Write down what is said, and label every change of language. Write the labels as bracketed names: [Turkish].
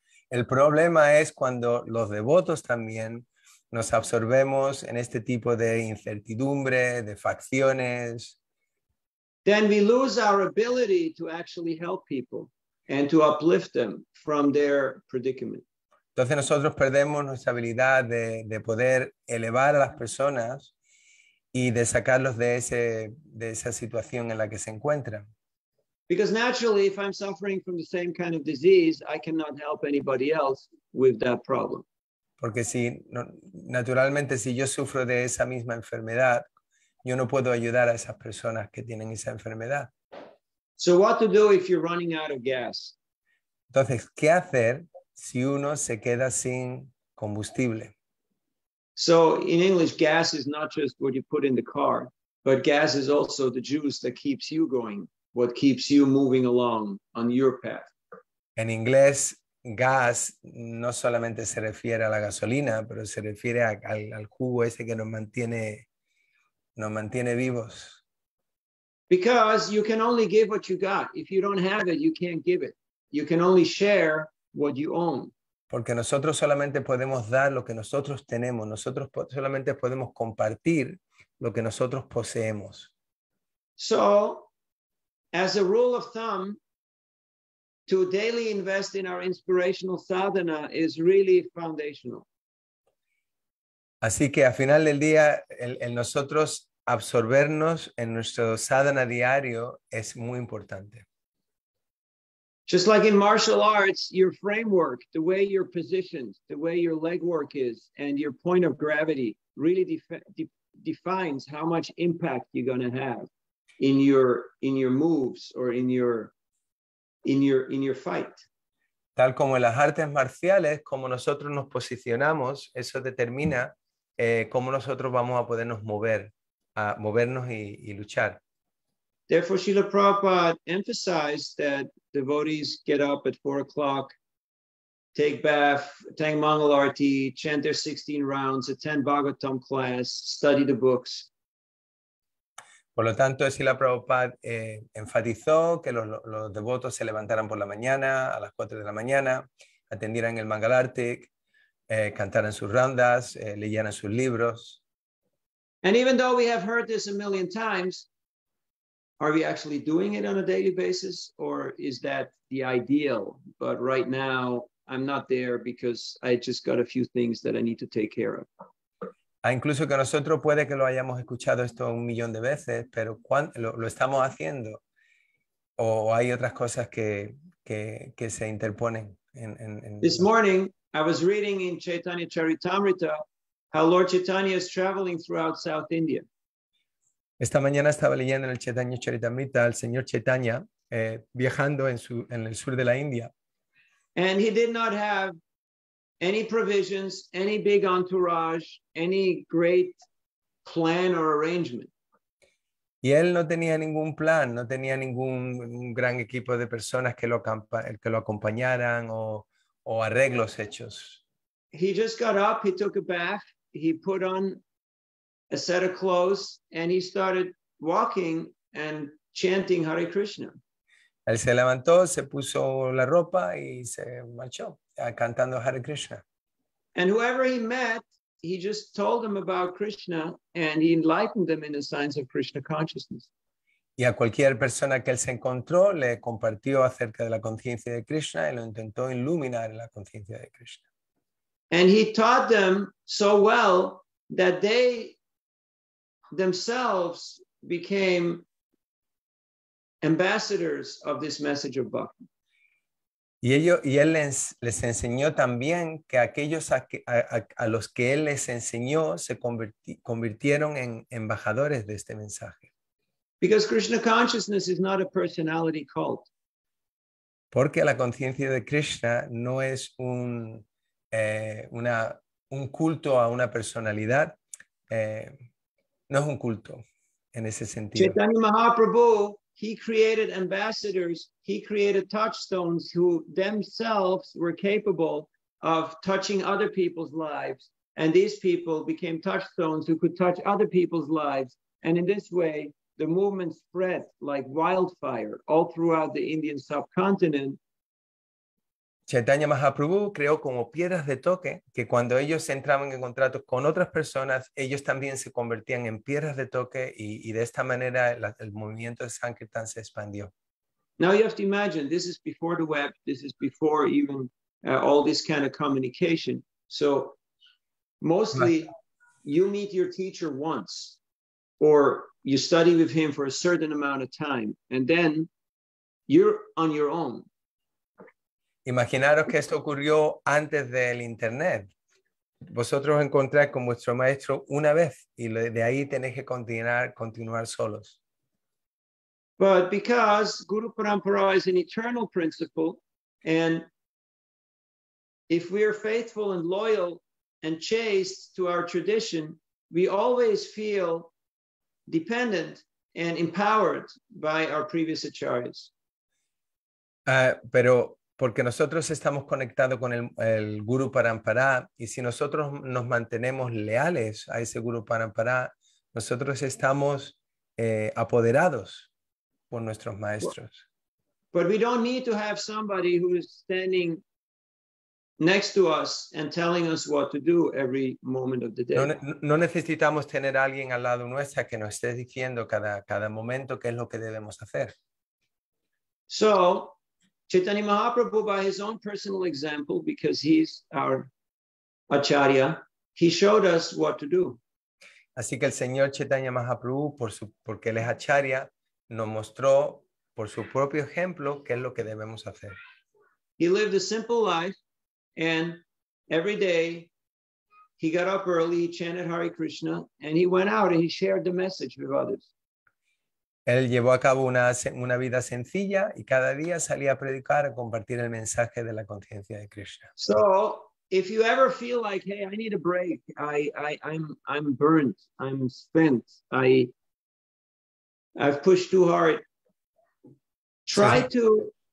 [Spanish] El problema es cuando los devotos también nos absorbemos en este tipo de incertidumbre, de facciones. [English] Then we lose our ability to actually help people and to uplift them from their predicament. [Spanish] Entonces nosotros perdemos nuestra habilidad de poder elevar a las personas y de sacarlos de esa situación en la que se encuentran. [English] Because naturally, if I'm suffering from the same kind of disease, I cannot help anybody else with that problem. [Spanish] Porque naturalmente, si yo sufro de esa misma enfermedad, yo no puedo ayudar a esas personas que tienen esa enfermedad. [English] So what to do if you're running out of gas? [Spanish] Entonces, ¿qué hacer si uno se queda sin combustible? [English] So in English, gas is not just what you put in the car, but gas is also the juice that keeps you going, what keeps you moving along on your path. [Spanish] En inglés, gas no solamente se refiere a la gasolina, pero se refiere al jugo ese que nos mantiene vivos. [English] Because you can only give what you got. If you don't have it, you can't give it. You can only share what you own. [Spanish] Porque nosotros solamente podemos dar lo que nosotros tenemos. Nosotros solamente podemos compartir lo que nosotros poseemos. [English] So, as a rule of thumb, to daily invest in our inspirational sadhana is really foundational. [Spanish] Así que al final del día, el nosotros absorbernos en nuestro sadhana diario es muy importante. [English] Just like in martial arts, your framework, the way you're positioned, the way your legwork is, and your point of gravity really defines how much impact you're going to have in your moves or in your fight. [Spanish] Tal como en las artes marciales, como nosotros nos posicionamos, eso determina cómo nosotros vamos a podernos mover, a movernos y luchar. [English] Therefore, Srila Prabhupada emphasized that devotees get up at 4 o'clock, take bath, tang mangal arti, chant their 16 rounds, attend Bhagavatam class, study the books. [Spanish] Por lo tanto, Srila Prabhupada enfatizó que los devotos se levantaran por la mañana, a las 4 de la mañana, atendieran el mangal arti, cantaran sus rondas, leyeran sus libros. [English] And even though we have heard this a million times, are we actually doing it on a daily basis, or is that the ideal? But right now, I'm not there because I just got a few things that I need to take care of. [Spanish] A incluso que nosotros puede que lo hayamos escuchado esto un millón de veces, pero lo estamos haciendo? ¿O hay otras cosas que se interponen? [English] This morning, I was reading in Chaitanya Charitamrita how Lord Chaitanya is traveling throughout South India. [Spanish] Esta mañana estaba leyendo en el Chaitanya Charitamrita al señor Chaitanya viajando en el sur de la India. [English] And he did not have any provisions, any big entourage, any great plan or arrangement. [Spanish] Y él no tenía ningún plan, no tenía ningún gran equipo de personas que lo acompañaran o arreglos hechos. [English] He just got up, he took a bath, he put on a set of clothes, and he started walking and chanting Hare Krishna. [Spanish] Él se levantó, se puso la ropa y se marchó cantando Hare Krishna. [English] And whoever he met, he just told them about Krishna and he enlightened them in the signs of Krishna consciousness. [Spanish] Y a cualquier persona que él se encontró, le compartió acerca de la conciencia de Krishna y lo intentó iluminar en la conciencia de Krishna. [English] And he taught them so well that they themselves became ambassadors of this message of Bhakti. [Spanish] Y él les enseñó también que aquellos a los que él les enseñó se convirtieron en embajadores de este mensaje. [English] Because Krishna consciousness is not a personality cult. [Spanish] Porque la conciencia de Krishna no es un culto a una personalidad, no es un culto en ese sentido. [English] Chaitanya Mahaprabhu, he created ambassadors, he created touchstones who themselves were capable of touching other people's lives. And these people became touchstones who could touch other people's lives. And in this way, the movement spread like wildfire all throughout the Indian subcontinent. [Spanish] Chaitanya Mahaprabhu creó como piedras de toque que cuando ellos entraban en contacto con otras personas, ellos también se convertían en piedras de toque y de esta manera el movimiento de Sankirtan se expandió. [English] Now you have to imagine, this is before the web, this is before even all this kind of communication. So mostly you meet your teacher once or you study with him for a certain amount of time and then you're on your own. [Spanish] Imaginaros que esto ocurrió antes del internet. Vosotros encontráis con vuestro maestro una vez y de ahí tenéis que continuar solos. [English] But because Guru Parampara is an eternal principle, and if we are faithful and loyal and chaste to our tradition, we always feel dependent and empowered by our previous acharyas. [Spanish] Pero porque nosotros estamos conectados con el Guru Parampara y si nosotros nos mantenemos leales a ese Guru Parampara, nosotros estamos apoderados por nuestros maestros. [English] But we don't need to have somebody who is standing next to us and telling us what to do every moment of the day. [Spanish] No necesitamos tener a alguien al lado nuestra que nos esté diciendo cada momento qué es lo que debemos hacer. [English] So Chaitanya Mahaprabhu, by his own personal example, because he's our acharya, he showed us what to do. [Spanish] Así que el señor Chaitanya Mahaprabhu, porque él es acharya, nos mostró por su propio ejemplo qué es lo que debemos hacer. [English] He lived a simple life, and every day he got up early, he chanted Hare Krishna, and he went out and he shared the message with others. [Spanish] Él llevó a cabo una vida sencilla y cada día salía a predicar, a compartir el mensaje de la conciencia de Krishna. [English] So, if you ever feel like, hey, I need a break, I'm burnt, I'm spent, I've pushed too hard, try to